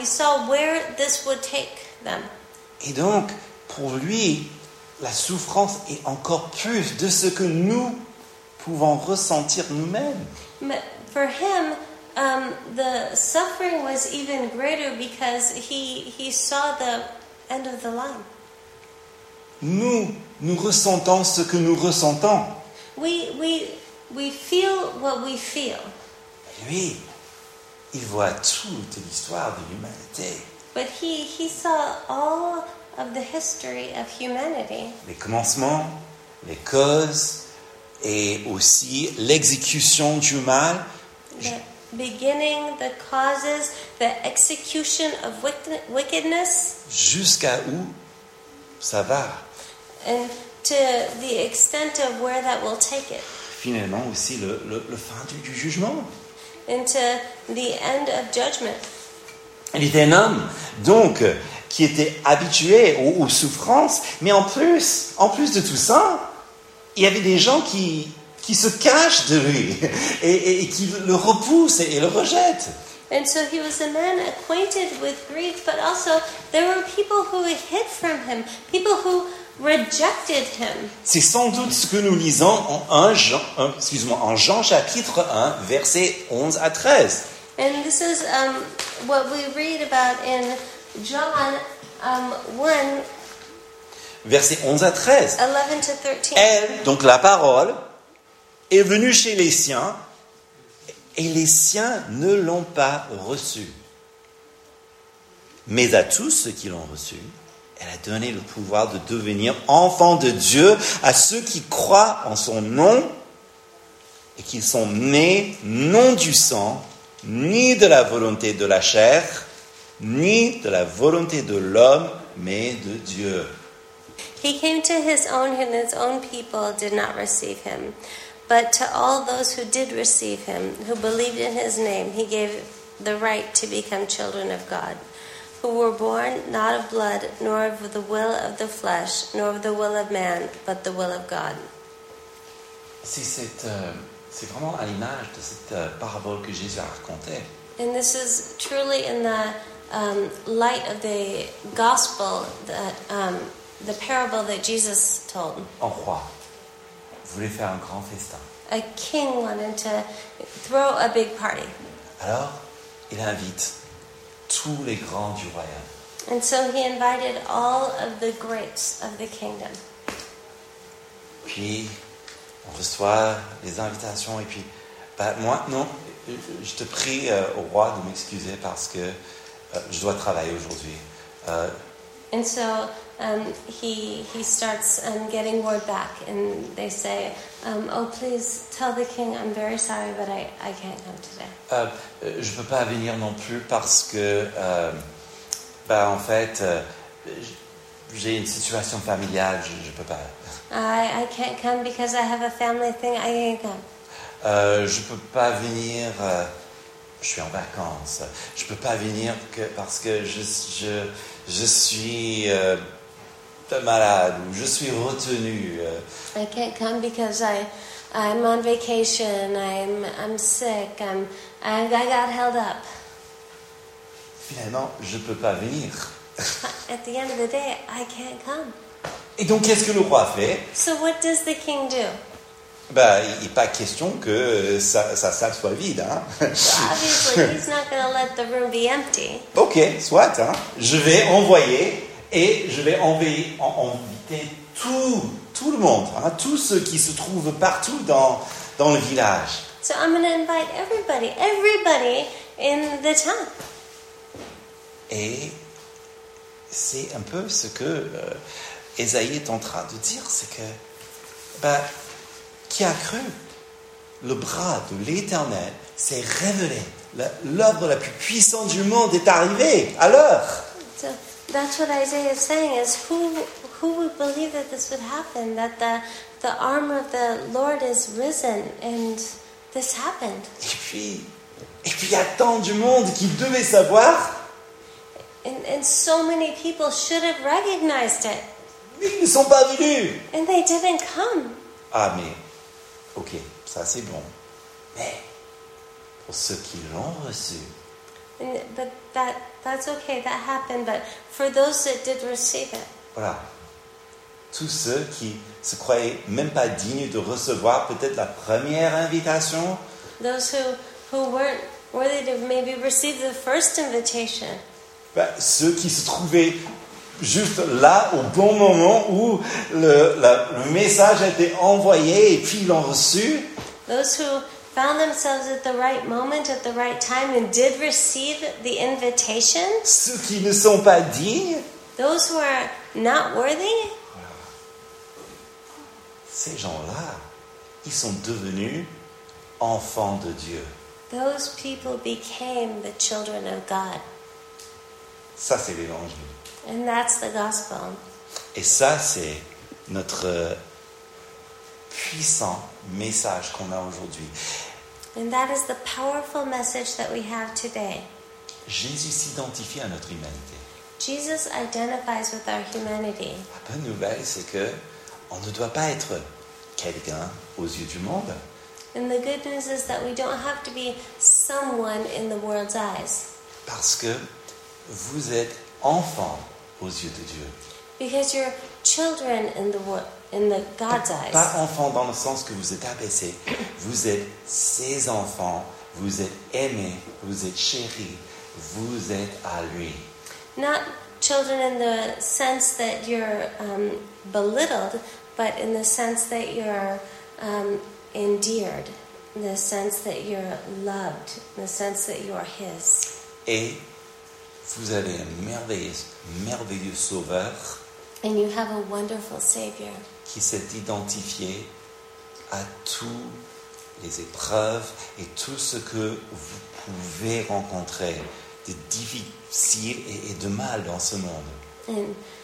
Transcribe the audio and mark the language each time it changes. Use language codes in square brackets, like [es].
[en] He saw where this would take them. [fr] Et donc, pour lui, la souffrance est encore plus de ce que nous pouvons ressentir nous-mêmes. [en] But for him, the suffering was even greater because he saw the end of the line. [fr] Nous ressentons ce que nous ressentons. [en] We feel what we feel. [fr] Et lui, il voit toute l'histoire de l'humanité. [en] But he saw all of the history of humanity. [fr] Les commencements, les causes, et aussi l'exécution du mal. [en] The beginning, the causes, the execution of wickedness. [fr] Jusqu'à où ça va. [en] And to the extent of where that will take it. [fr] Finalement aussi le fin du jugement. [en] Into the end of judgment. [fr] Il était un homme, donc, qui était habitué aux souffrances. Mais en plus de tout ça, il y avait des gens qui se cachent de lui et qui le repoussent et le rejettent. [en] And so he was a man acquainted with grief, but also there were people who hid from him, people who rejected him. [fr] C'est sans doute ce que nous lisons en Jean chapitre 1, versets 11 à 13. [en] And this is what we read about in John 1, [fr] versets 11 à 13. [en] 11 to 13. [fr] Elle, donc la parole, est venue chez les siens, et les siens ne l'ont pas reçue. Mais à tous ceux qui l'ont reçue, elle a donné le pouvoir de devenir enfants de Dieu à ceux qui croient en son nom et qu'ils sont nés non du sang, ni de la volonté de la chair, ni de la volonté de l'homme, mais de Dieu. [en] He came to his own, and his own people did not receive him. But to all those who did receive him, who believed in his name, he gave the right to become children of God. Who were born not of blood, nor of the will of the flesh, nor of the will of man, but the will of God. [fr] C'est cette, C'est vraiment à l'image de cette parabole que Jésus a racontée. [en] And this is truly in the light of the gospel that the parable that Jesus told. [fr] Un roi voulait faire un grand festin. [en] A king wanted to throw a big party. [fr] Alors, il invite tous les grands du royaume. [en] And so he invited all of the greats of the kingdom. [fr] Puis, on reçoit les invitations et puis, bah, moi, non, je te prie au roi de m'excuser parce que je dois travailler aujourd'hui. [en] And so he starts getting word back and they say, oh, please tell the king I'm very sorry, but I can't come today. [fr] Je ne peux pas venir non plus parce que, bah, en fait, j'ai une situation familiale, je ne peux pas. [en] I can't come because I have a family thing, I can't come. [fr] Je ne peux pas venir, je suis en vacances. Je ne peux pas venir que parce que je suis malade ou je suis retenu. [en] I can't come because I'm on vacation, I'm sick, I got held up. [fr] Finalement, je ne peux pas venir. [en] At the end of the day, I can't come. [fr] Et donc, qu'est-ce que le roi fait? [en] So what does the king do? [fr] Bah, il n'est pas question que sa salle soit vide, hein. [en] Obviously, he's not going to let the room be empty. [fr] Ok, soit, hein. Je vais envoyer et je vais inviter tout le monde, hein, tous ceux qui se trouvent partout dans le village. [en] So I'm going to invite everybody in the town. [fr] Et c'est un peu ce que Esaïe est en train de dire, c'est que, bah, qui a cru? Le bras de l'Éternel s'est révélé. L'œuvre la plus puissante du monde est arrivée à l'heure. [en] So that's what Isaiah is saying, is who would believe that this would happen, that the arm of the Lord is risen and this happened. [fr] Et puis il y a tant du monde qui devait savoir. [en] And so many people should have recognized it. [fr] Ils ne sont pas venus. [en] And they didn't come. [fr] Ah, mais... Ok, ça c'est bon. Mais pour ceux qui l'ont reçu. [en] But that's okay, that happened. But for those that did receive it. [fr] Voilà. Tous ceux qui se croyaient même pas dignes de recevoir peut-être la première invitation. [en] Those who weren't worthy to maybe receive the first invitation. [fr] Ben, ceux qui se trouvaient juste là, au bon moment où le message a été envoyé et puis ils l'ont reçu. [en] Those who found themselves at the right moment, at the right time and did receive the invitation. [fr] Ceux qui ne sont pas dignes. [en] Those who are not worthy. [fr] Ces gens-là, ils sont devenus enfants de Dieu. [en] Those people became the children of God. [fr] Ça, c'est l'évangile. [en] And that's the gospel. [fr] Et ça, c'est notre puissant message qu'on a aujourd'hui. [en] And that is the powerful message that we have today. [fr] Jésus s'identifie à notre humanité. [en] Jesus identifies with our humanity. [fr] La bonne nouvelle, c'est que on ne doit pas être quelqu'un aux yeux du monde. [en] And the good news is that we don't have to be someone in the world's eyes. [fr] Parce que vous êtes enfants aux yeux de Dieu. [en] Because you're children in the God's eyes. [fr] Pas enfants dans le sens que vous êtes abaissés. Vous êtes ses enfants. Vous êtes aimés. Vous êtes chéris. Vous êtes à lui. [en] Not children in the sense that you're belittled, but in the sense that you're endeared. In the sense that you're loved. In the sense that you are his. [fr] Et vous avez un merveilleux, merveilleux sauveur. [en] And you have a wonderful savior. [fr] Qui s'est identifié à toutes les épreuves et tout ce que vous pouvez rencontrer de difficile et de mal dans ce monde.